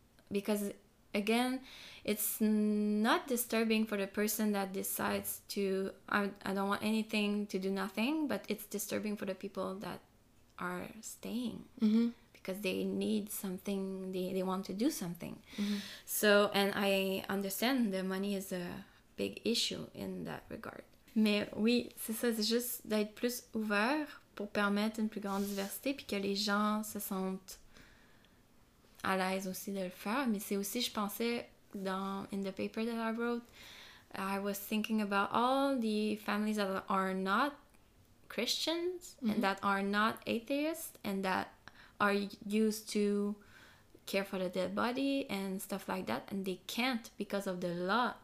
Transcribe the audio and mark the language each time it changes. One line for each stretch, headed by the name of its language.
English: Because, again, it's not disturbing for the person that decides to, I don't want anything, to do nothing, but it's disturbing for the people that are staying. Mm-hmm. Because they need something, they want to do something. Mm-hmm. So, and I understand the money is a big issue in that regard.
French: Mais oui, c'est ça, c'est juste d'être plus ouvert pour permettre une plus grande diversité, puis que les gens se sentent à l'aise aussi de le faire. Mais c'est aussi, je pensais, dans
English: in the paper that I wrote, I was thinking about all the families that are not Christians, mm-hmm. and that are not atheists, and that are used to care for the dead body and stuff like that, and they can't because of the law.